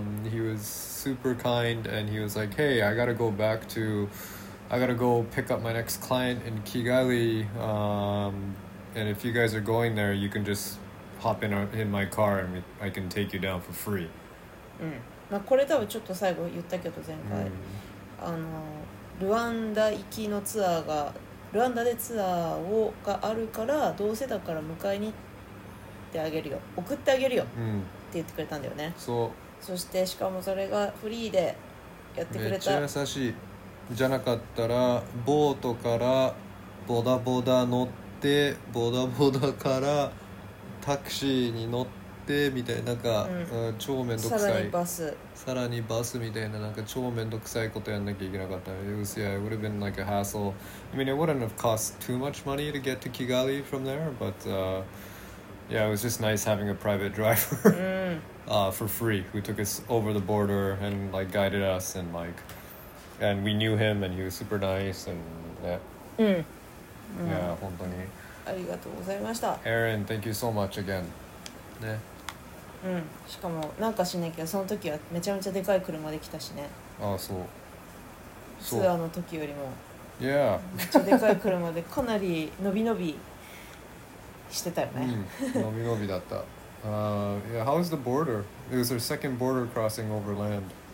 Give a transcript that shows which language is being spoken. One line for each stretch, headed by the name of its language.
English: He was super kind, and he was like, hey, I gotta go pick up my next client in Kigali, and if you guys are going there, you can just hop in my car and I can take you down for free.
Japanese: まあこれ多分ちょっと最後言ったけど前回、あのルワンダ行きのツアーがルワンダでツアーをがあるから、どうせだから迎えに行ってあげるよ、送ってあげるよ、って言ってくれたんだよね。そう、そしてしかもそれがフリーでやってくれた、めっちゃ優しい。じゃなかったらボートからボダボダ乗って、ボダボダからタクシーに乗ってみたいな、なんか、超めんどくさい、さらにバスみたいな、なんか超めんどくさいことやんなきゃいけなかった。
English: It was, yeah, it would have been like a hassle. I mean, it wouldn't have cost too much money to get to Kigali from there, but yeah, it was just nice having a private driver. For free, who took us over the border and like guided us, and like, and we knew him and he was super nice, and yeah,
Japanese: 本当にありがとうございました。
English: Aaron, thank you so much again. ね、
Japanese: しかもなんかしないけど、その時はめちゃめちゃでかい車で来たしね。ああ、そう、ツアーの時よりも、
English: yeah.
Japanese: めっちゃでかい車でかなりのびのびしてたよね。のびのびだった。
English: yeah, how is the border? It was our second border crossing over land.